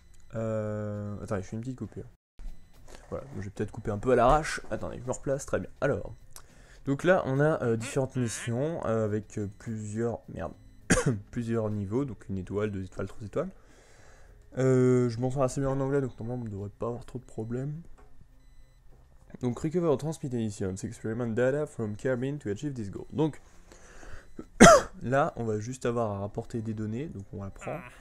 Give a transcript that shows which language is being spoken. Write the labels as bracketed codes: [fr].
[fr] Attendez, je fais une petite coupure. Voilà, je vais peut-être couper un peu à l'arrache. Attendez, je me replace, très bien. Alors, donc là on a différentes missions avec plusieurs. Merde. plusieurs niveaux, donc une étoile, deux étoiles, trois étoiles. Je m'en sors assez bien en anglais, donc normalement on devrait pas avoir trop de problèmes. [en] Donc, recover transmit mission, experiment data from cabin to achieve this goal. [fr] Donc, là on va juste avoir à rapporter des données, donc on la prend.